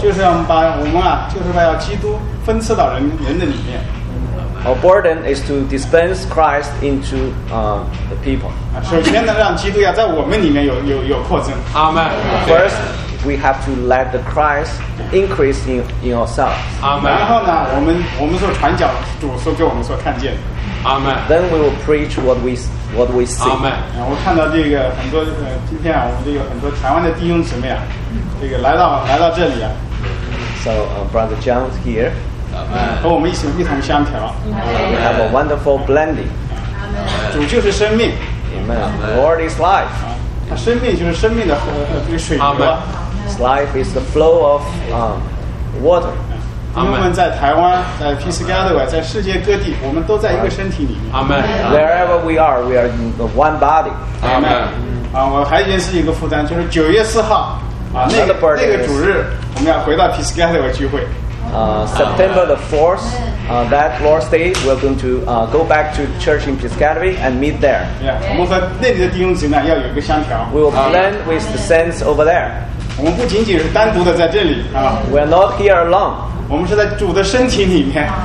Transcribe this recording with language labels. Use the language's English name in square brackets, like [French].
[Chinese] 就是要把我们就是要基督分赐到人的里面。 [English] Our burden is to dispense Christ into the people. [Chinese] 首先呢，让基督要在我们里面有扩增。 [English] Amen. First, we have to let the Christ increase in ourselves. Amen. [Chinese] 然后呢，我们所传讲主所给我们所看见的。 [English] Amen. Then we will preach what we see. Amen. [Chinese] 然后看到这个很多今天啊，我们这个很多台湾的弟兄姊妹啊，这个来到这里啊。 [English] So Brother John's here. Amen. [Chinese] 和我们一同相调。 [English] We have a wonderful blending. Amen. [Chinese] 主就是生命。 [English] Amen. Lord is life. [Chinese] 他生命就是生命的这个水流。 [English] Amen. His life is the flow of water. [Chinese] 因为我们在台湾，在 Peace Gathering， 在世界各地，我们都在一个身体里面。 [English] Amen. Wherever we are in the one body. Amen. [Chinese] 啊，我还有一件事情一个负担，就是9月4号。那个主日我们要回到 Peace Gathering 聚会。 [English] September the 4th, that Lord's Day, we're going to go back to church in Piscataway and meet there. [Chinese] Yeah, 我们和那里的弟兄姊妹要有一个相调。 [English] We will blend with the saints over there. [Chinese] 我们不仅仅是单独的在这里。 [English] We're not here alone. [Chinese] 我们是在主的身体里面。